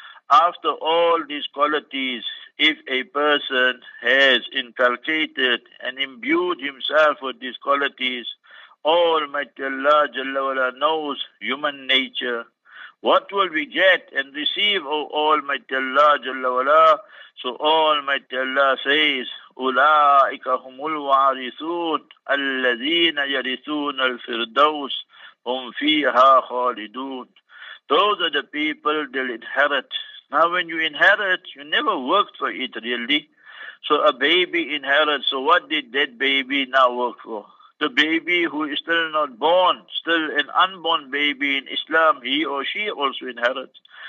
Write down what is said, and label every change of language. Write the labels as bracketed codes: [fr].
[en] After all these qualities, if a person has inculcated and imbued himself with these qualities, Almighty Allah Jalla Wala knows human nature. What will we get and receive, O Almighty Allah Jalla Wala? So Almighty Allah says, [ar] أُولَٰئِكَ هُمُ الْوَارِثُونَ الَّذِينَ يَرِثُونَ الْفِرْدَوْسَ هُمْ فِيهَا خَالِدُونَ. [en] Those are the people they'll inherit. Now when you inherit, you never worked for it really. So a baby inherits, so what did that baby now work for? The baby who is still not born, still an unborn baby in Islam, he or she also inherits.